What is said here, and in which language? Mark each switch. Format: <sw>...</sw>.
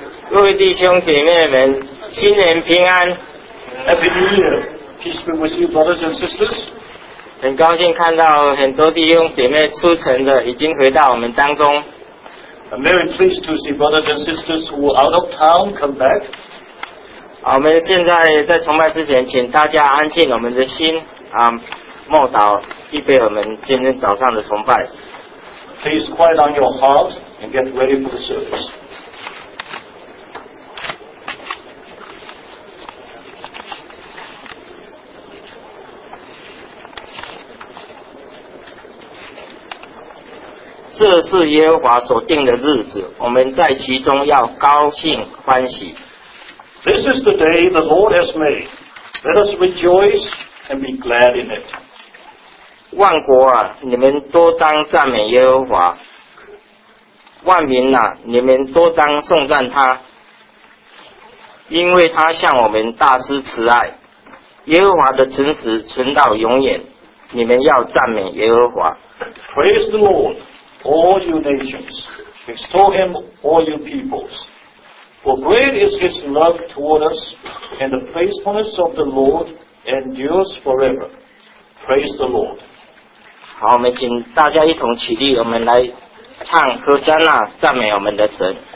<zh>各位弟兄姐妹们，新年平安</zh> <en>！Happy New Year, peace be with you, brothers and sisters.</en> <zh>很高兴看到很多弟兄姐妹出城的，已经回到我们当中。</zh> <en>I'm very pleased to see brothers and sisters who are out of town come back.</en> <zh>我们现在在崇拜之前，请大家安静我们的心啊，默祷，预备我们今天早上的崇拜。</zh> <en>Please quiet on your heart and get ready for the service.</en> <zh>这是耶和华所定的日子，我们在其中要高兴欢喜。</zh> <en>This is the day the Lord has made. Let us rejoice and be glad in it.</en> <zh>万国啊，你们多当赞美耶和华。万民啊，你们多当颂赞他，因为他向我们大施慈爱。耶和华的诚实存到永远，你们要赞美耶和华。</zh> <en>Praise the Lord. All you nations, extol him, all you peoples. For great is his love toward us, and the faithfulness of the Lord endures forever. Praise the Lord.</en> <zh>好，我们请大家一同起立，我们来唱《何山啊》，赞美我们的神。</zh>